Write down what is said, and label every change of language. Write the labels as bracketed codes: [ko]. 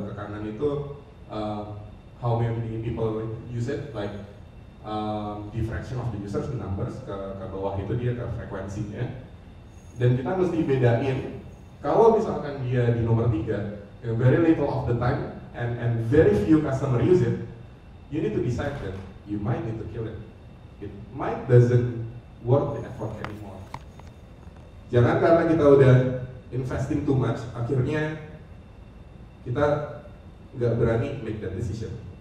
[id] Ke kanan itu [en] how many people use it, like the fraction of the users, the numbers. [id] Ke bawah itu dia ke frekuensinya. Dan kita mesti bedain, kalau misalkan dia di nomor 3, [en] very little of the time and very few customer use it, you need to decide that you might need to kill it. It might doesn't work the effort anymore. [id] Jangan karena kita udah [en] investing too much, [id] akhirnya kita gak berani [en] make that decision.